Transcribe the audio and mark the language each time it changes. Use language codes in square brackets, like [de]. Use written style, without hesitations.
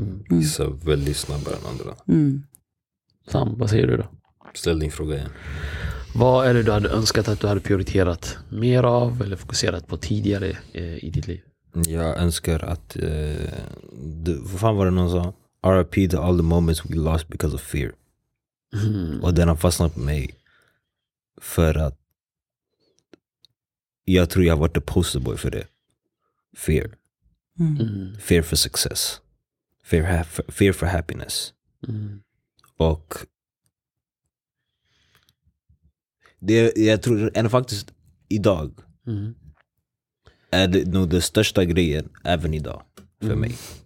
[sv] Vissa väldigt snabbare än andra. Sam, vad säger du då? Ställ din fråga igen. Vad är det du hade önskat att du hade prioriterat mer av eller fokuserat på tidigare i ditt liv? Jag önskar att vad fan var det någon sa? [en] RIP to all the moments we lost because of fear. [sv] Och den har fastnat på mig för att jag tror jag har varit [en] the poster boy [sv] för det. Fear. [en] Fear for success. Fear for happiness. [sv] Och det jag tror än faktiskt idag är det nog den största grejen även idag för mig.